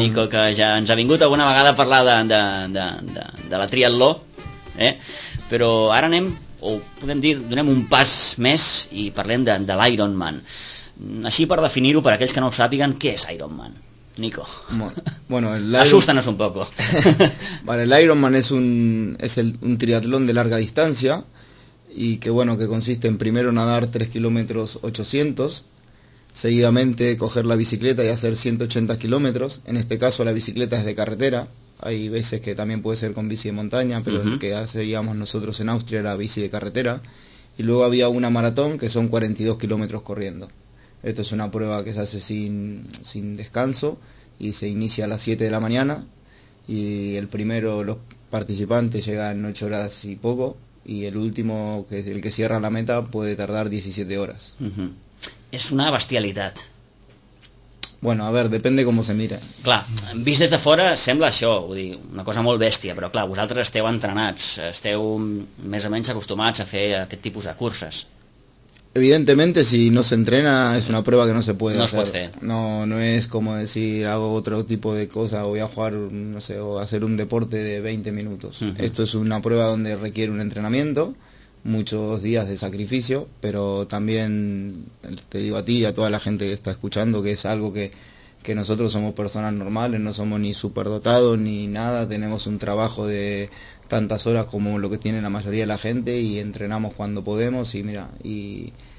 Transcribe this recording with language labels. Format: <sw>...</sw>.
<ca>El Nico, que ja ens ha vingut alguna vegada a parlar de la triatló, eh? Però ara anem, o podem dir, donem un pas més i parlem de l'Ironman. Així, per definir-ho, per aquells que no ho sàpiguen, què és Ironman? Nico. Bueno,</ca> <es>asústanos un poco. Vale, el Ironman es un triatlón de larga distancia y que, bueno, que consiste en primero nadar 3 kilómetros 800, seguidamente coger la bicicleta y hacer 180 kilómetros. En este caso la bicicleta es de carretera. Hay veces que también puede ser con bici de montaña, pero el que hacíamos nosotros en Austria era bici de carretera. Y luego había una maratón, que son 42 kilómetros corriendo. Esto es una prueba que se hace sin descanso y se inicia a las 7 de la mañana. Y el primero, los participantes llegan 8 horas y poco. Y el último, que es el que cierra la meta, puede tardar 17 horas. Es una bestialidad.</es> <ca>Bueno, a veure, depèn de com se mira. Clar, vist des de fora sembla això, vull dir, una cosa molt bèstia, però clar, vosaltres esteu entrenats, esteu més o menys acostumats a fer aquest tipus de curses.</ca> <es>Evidentemente, si no se entrena, es una prueba que no se puede no hacer.</es> <ca>Es pot fer.</ca> <es>No, no es como decir, hago otro tipo de cosa, voy a jugar, no sé, o hacer un deporte de 20 minutos. Esto es una prueba donde requiere un entrenamiento, muchos días de sacrificio, pero también te digo a ti y a toda la gente que está escuchando que es algo que nosotros somos personas normales, no somos ni superdotados ni nada, tenemos un trabajo de tantas horas como lo que tiene la mayoría de la gente y entrenamos cuando podemos y mira, y</es>